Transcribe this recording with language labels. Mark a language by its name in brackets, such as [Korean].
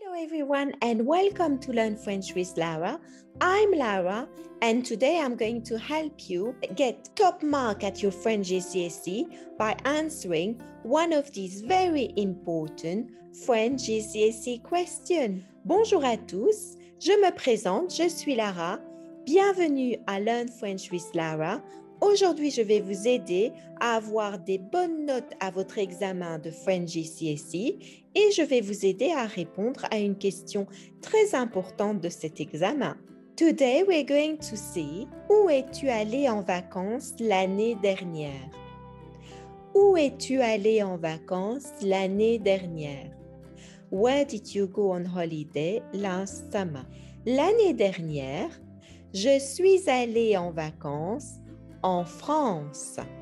[English] everyone, and welcome to Learn French with Lara. I'm Lara, and today I'm going to help you get top mark at your French GCSE by answering one of these very important French GCSE questions. [French] Bonjour à tous, je me présente, je suis Lara. Bienvenue à Learn French with Lara. Aujourd'hui, je vais vous aider à avoir des bonnes notes à votre examen de French GCSE et je vais vous aider à répondre à une question très importante de cet examen. [English] Today, we're going to see [French] où es-tu allé en vacances l'année dernière? Où es-tu allé en vacances l'année dernière? [English] Where did you go on holiday last summer? [French] L'année dernière, je suis allé en vacances en France.